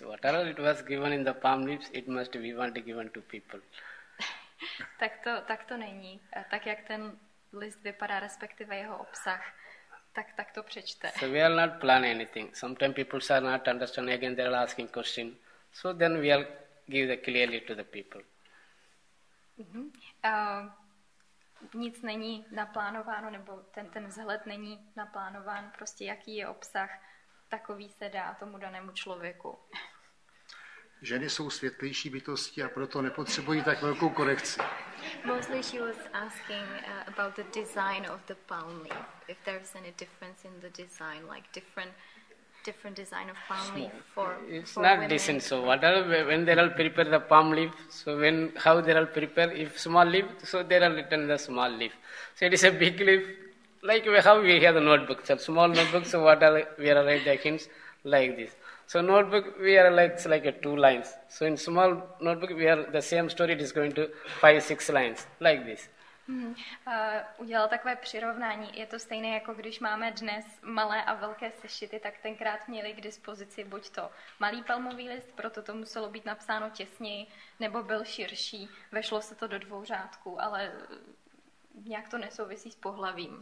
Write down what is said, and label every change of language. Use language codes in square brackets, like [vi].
[en] Whatever it was given in the palm leaves, it must be one given to people. [cs] Tak to není. Tak jak ten list vypadá, respektive jeho obsah, tak to přečte. [en] So we are not planning anything. Sometimes people are not understanding, again they are asking question. So then we are give the clearly to the people. [cs] Nic není naplánováno, nebo ten vzhled není naplánován, prostě jaký je obsah, takový se dá tomu danému člověku. Ženy jsou světlejší bytosti a proto nepotřebují tak velkou korekci. [en] Mostly she was asking about the design of the palm leaf. If there's any difference in the design, like different design of palm leaf for it's for not decent. So what are when they all prepare the palm leaf, so when how they all prepare if small leaf, so they are written the small leaf. So it is a big leaf. Like we have here the notebook, so small notebook, so what are we are write the hints like this. So notebook we are like a two lines. So in small notebook we are the same story it is going to 5-6 lines like this. [cs] Udělal takové přirovnání. Je to stejné jako když máme dnes malé a velké sešity, tak tenkrát měli k dispozici buď to malý palmový list, proto to muselo být napsáno těsněji, nebo byl širší, vešlo se to do dvou řádků, ale nějak to nesouvisí s pohlavím.